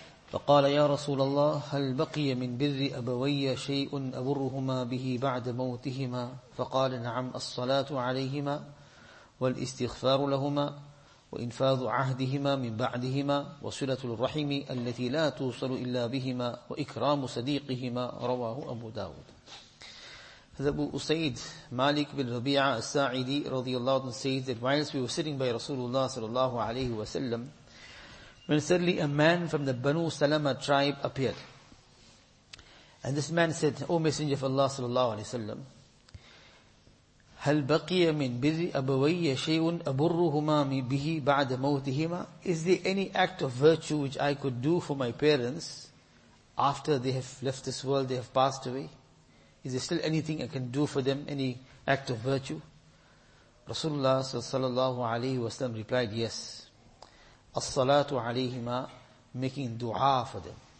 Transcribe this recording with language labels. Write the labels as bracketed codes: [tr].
[ar] فقال يا رسول الله هل بقي من بر أبوي شيء أبرهما به بعد موتهما فقال نعم الصلاة عليهما والاستغفار لهما وإنفاذ عهدهما من بعدهما وصلة الرحم التي لا توصل إلا بهما وإكرام صديقهما رواه أبو داود. [en] هذا أبو أسيد مالك بن ربيعة الساعدي رضي الله عنه says that whilst we were sitting by Rasulullah صلى الله عليه وسلم, when suddenly a man from the Banu Salama tribe appeared. And this man said, O Messenger of Allah [ar] صلى الله عليه وسلم, هل بقي من بر أبوي شيء أبرهما به بعد موتهما? [en] Is there any act of virtue which I could do for my parents after they have left this world, they have passed away? Is there still anything I can do for them, any act of virtue? Rasulullah sallallahu alayhi wa sallam replied, yes. [ar] As-salatu alayhima, [en] making dua for them.